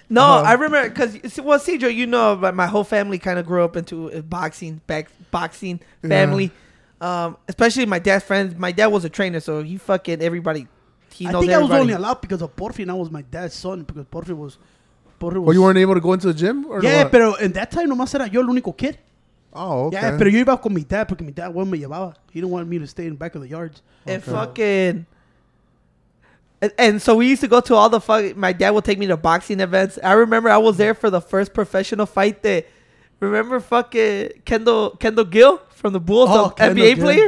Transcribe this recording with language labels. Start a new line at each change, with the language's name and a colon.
English: No, I remember, because, well, CJ, you know, my whole family kind of grew up into boxing family. Yeah. Especially my dad's friends. My dad was a trainer, so he fucking everybody. He knows everybody. I was only allowed because of Porfi, and I was my dad's son, because Porfi was. Oh, you weren't able to go into the gym? Yeah, but in that time,
Spanish: nomás era yo el único
English: kid. Oh, okay.
Spanish: Yeah, pero yo iba con mi dad porque mi dad me llevaba.
English: He didn't want me to stay in the back of the yard. Okay. And fucking... And so we used to go to all the fucking... My dad would take me to boxing events. I remember I was there for the first professional fight that... Remember fucking Kendall Gill from the Bulls, NBA player?